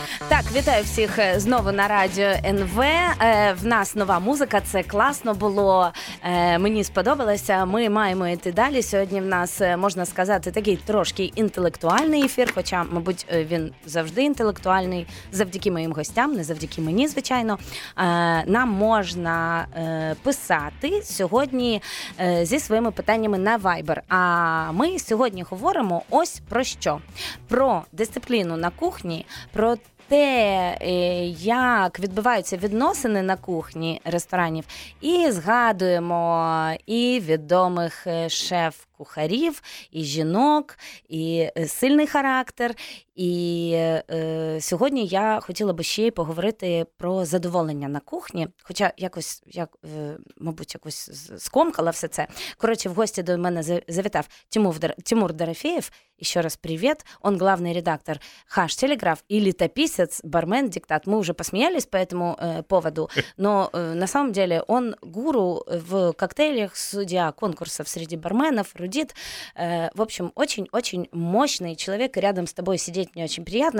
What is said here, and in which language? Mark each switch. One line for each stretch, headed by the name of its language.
Ukrainian: Так, вітаю всіх знову на радіо НВ. В нас нова музика, це класно було, мені сподобалося. Ми маємо йти далі. Сьогодні в нас, можна сказати, такий трошки інтелектуальний ефір, хоча, мабуть, він завжди інтелектуальний, завдяки моїм гостям, не завдяки мені, звичайно. Нам можна писати сьогодні зі своїми питаннями на Viber. А ми сьогодні говоримо ось про що. Про дисципліну на кухні, про те, як відбуваються відносини на кухні ресторанів, і згадуємо і відомих шеф-кухарів, і жінок, і сильний характер. І сьогодні я хотіла би ще й поговорити про задоволення на кухні, хоча якось, якось скомкала все це. Коротше, в гості до мене завітав Тимур Дорофеев.
Russian: Еще раз привет. Он главный редактор «Хаш Телеграф» и летописец «Бармен Диктат». Мы уже посмеялись по этому поводу, но на самом деле он гуру в коктейлях, судья конкурсов среди барменов, рудит. В общем, очень-очень мощный человек. Рядом с тобой сидеть мне очень приятно.